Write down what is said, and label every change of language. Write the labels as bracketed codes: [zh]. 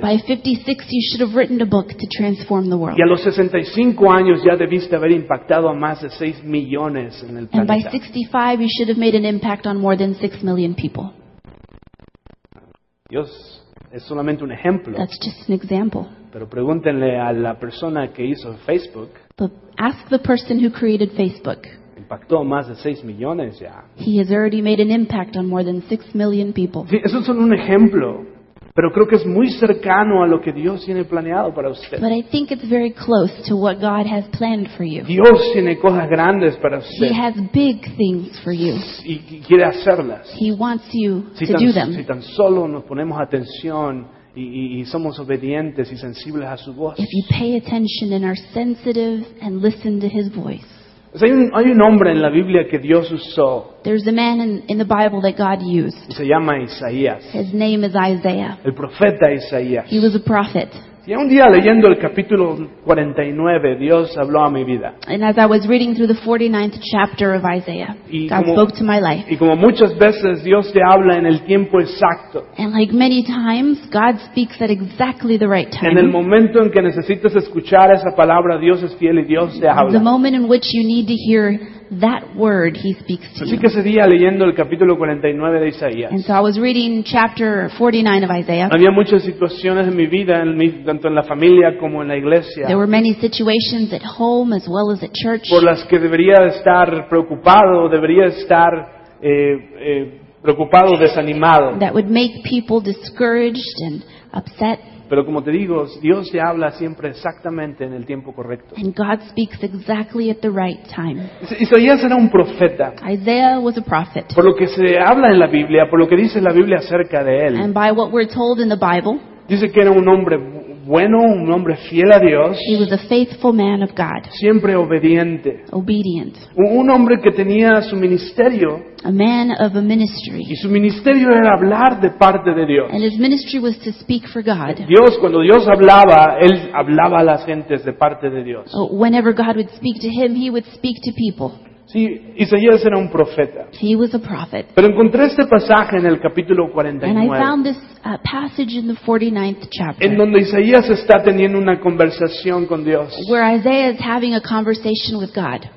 [en] By 56, you should have written a book to transform the world. [es] Y a los 65 años ya debiste haber impactado a más de 6 millones en el planeta. [en] And by 65, you should have made an impact on more than 6 million people. [es] Dios es solamente un ejemplo. [en] That's just an example. [es] Pero pregúntenle a la persona que hizo Facebook. [en] But ask the person who created Facebook. [es] Impactó más de 6 millones ya. [en] He has already made an impact on more than 6 million people. [es] Sí, eso es un ejemplo. Pero creo que es muy cercano a lo que Dios tiene planeado para usted. [en] But I think it's very close to what God has planned for you. [es] Dios tiene cosas grandes para usted. [en] He has big things for you. [es] Y quiere hacerlas. [en] He wants you to do them. [es] Si tan solo nos ponemos atención y somos obedientes y sensibles a su voz. [en] If you pay attention and are sensitive and listen to his voice. [es] Hay un hombre en la Biblia que Dios usó. [en] There's a man in the Bible that God used. [es] Se llama Isaías. [en] His name is Isaiah. [es] El profeta Isaías. [en] He was a prophet. [es] Y un día leyendo el capítulo 49, Dios habló a mi vida. [en] And as I was reading through the 49th chapter of Isaiah, God spoke to my life. [es] Y como muchas veces Dios te habla en el tiempo exacto. [en] And like many times, God speaks at exactly the right time. [es] En el momento en que necesitas escuchar esa palabra, Dios es fiel y Dios te habla. [en] The moment in which you need to hear that word, he speaks to you. [es] Así que ese día leyendo el capítulo 49 de Isaías. [en] And so I was reading chapter 49 of Isaiah. [es] Había muchas situaciones en mi vida, tanto en la familia como en la iglesia. [en] There were many situations at home as well as at church. [es] Por las que debería estar preocupado, debería estar preocupado, desanimado. [en] That would make people discouraged and upset. [es] Pero como te digo, Dios te habla siempre exactamente en el tiempo correcto. [en] And God speaks exactly at the right time. [es] Isaías era un profeta. [en] Isaiah was a prophet. [es] Por lo que se habla en la Biblia, por lo que dice la Biblia acerca de él. [en] And by what we're told in the Bible. [es] Dice que era un hombre bueno, un hombre fiel a Dios. [en] He was a faithful man of God. [es] Siempre obediente. [en] Obedient. [es] Un hombre que tenía su ministerio. [en] A man of a ministry. [es] Y su ministerio era hablar de parte de Dios. [en] And his ministry was to speak for God. [es] Dios, cuando Dios hablaba, él hablaba a las gentes de parte de Dios. [en] So whenever God would speak to him, he would speak to people. [es] Sí, Isaías era un profeta. [en] He was a prophet. [es] Pero encontré este pasaje en el capítulo 49. [en] And I found this passage in the 49th chapter. [es] En donde Isaías está teniendo una conversación con Dios. [en] Where Isaiah is having a conversation with God.